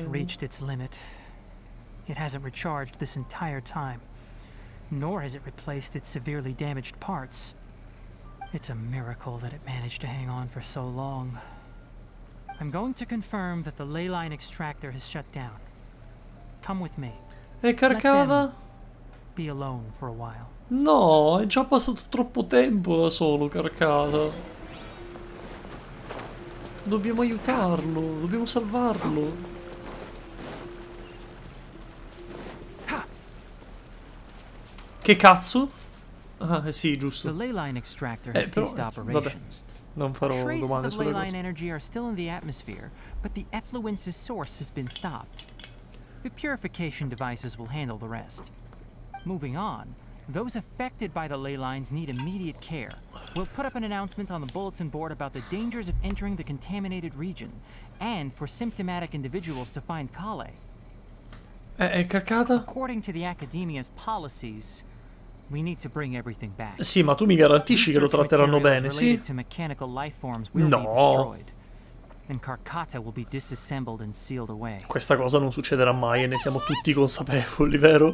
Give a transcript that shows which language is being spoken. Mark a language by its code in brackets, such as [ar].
[en] It reached its limit. It hasn't recharged this entire time. Nor has it replaced its severely damaged parts. It's a miracle that it managed to hang on for so long. I'm going to confirm that the ley line extractor has shut down. Come with me. [it] E carcava? [en] Be alone for a while. [it] No, è già passato troppo tempo da solo, carcava. Dobbiamo aiutarlo, dobbiamo salvarlo. Che cazzo? Ah, sì, giusto. [en] The ley line extractor has ceased operations. [it] Non farò domande sulle [en] ley line energy are still in the atmosphere, but the effluence's source has been stopped. The purification devices will handle the rest. Moving on, those affected by the ley lines need immediate care. We'll put up an announcement on the bulletin board about the dangers of entering the contaminated region, and for symptomatic individuals to find Kale. [it] È carcata? [en] According to the Academia's policies, we need to bring everything back. [it] Sì, ma tu mi garantisci che lo tratteranno bene, sì? [en] To mechanical life forms will no. Be destroyed. And Carcata will be disassembled and sealed away. [it] Questa cosa non succederà mai e ne siamo tutti consapevoli, vero?